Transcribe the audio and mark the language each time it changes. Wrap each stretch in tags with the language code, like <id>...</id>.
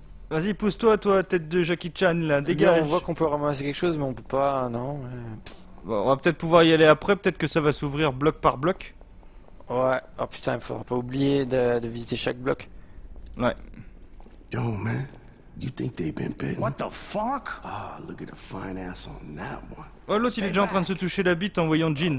<fr>Vas-y, pousse-toi, toi, tête de Jackie Chan, là, dégage. On voit qu'on peut ramasser quelque chose, mais on peut pas, non. Bon, on va peut-être pouvoir y aller après, peut-être que ça va s'ouvrir bloc par bloc. Ouais, oh putain, il faudra pas oublier de visiter chaque bloc.</fr> <en>Ouais. Yo, man, you think they been bitten? What the fuck? Ah, look at the fine ass on that one.</en> <fr>Oh, l'autre, il est déjà en train de se toucher la bite en voyant Jean.</fr>